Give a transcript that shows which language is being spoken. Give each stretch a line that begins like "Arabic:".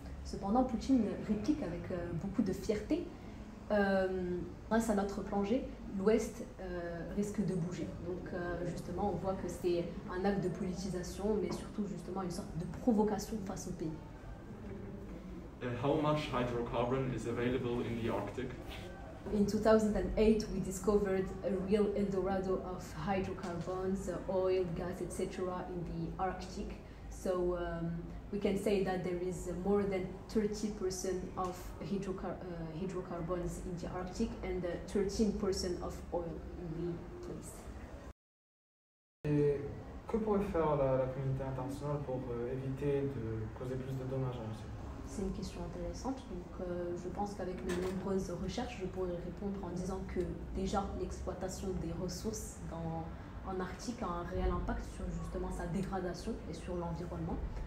French: Cependant, Poutine réplique avec beaucoup de fierté. Grâce à notre plongée, l'Ouest risque de bouger. Donc justement, on voit que c'est un acte de politisation, mais surtout justement une sorte de provocation face au pays.
English: How much hydrocarbon is available in the Arctic? In 2008, we discovered a real Eldorado of hydrocarbons, oil, gas, etc. in the Arctic. So we can say that there is more than 30% of hydrocarbons in the Arctic and 13% of oil in the place.
French: Et que pourrait faire la communauté internationale pour éviter de causer plus de dommages à la Russie? C'est une question intéressante, donc je pense qu'avec mes nombreuses recherches, je pourrais répondre en disant que déjà l'exploitation des ressources en Arctique a un réel impact sur justement sa dégradation et sur l'environnement.